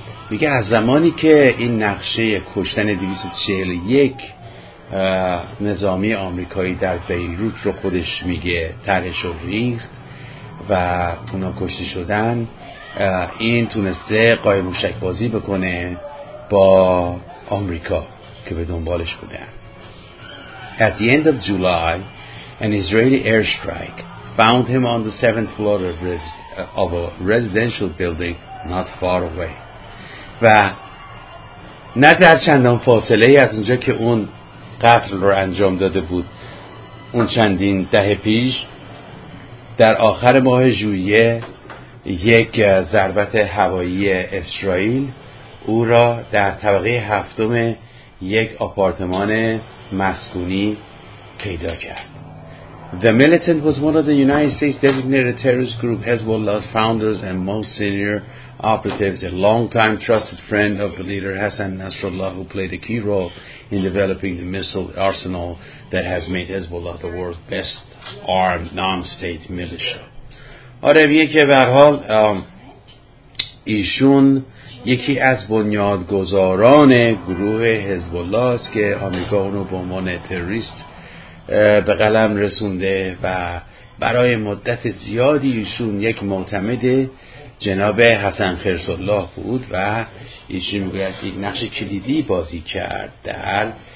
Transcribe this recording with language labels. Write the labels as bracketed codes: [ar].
[fa] میگه از زمانی که این نقشه کشتن 241 نظامی آمریکایی در بیروت رو خودش میگه طرحش رو ریخت و اونا کشته شدن، این تونسته قایم موشک بازی بکنه با آمریکا که به دنبالش بودن. [en] At the end of July an Israeli airstrike found him on the 7th floor of a residential building not far away. [fa] و نه در چندان فاصله از اونجا که اون قتل رو انجام داده بود اون چندین دهه پیش، در آخر ماه ژوئیه یک ضربت هوایی اسرائیل او را در طبقه هفتم یک آپارتمان مسکونی پیدا کرد. [en] The militant was one of the United States designated terrorist group Hezbollah's founders and most senior operatives, a long-time trusted friend of the leader Hassan Nasrallah, who played a key role in developing the missile arsenal that has made Hezbollah the world's best armed non-state militia. [fa] آره، میگه که به هر حال ایشون یکی از بنیادگذاران گروه حزب‌الله است که آمریکا اونو به عنوان تروریست به قلم رسونده و برای مدت زیادی ایشون یک معتمد جناب حسن خرس الله بود و ایشون میگوید که نقش کلیدی بازی کرد در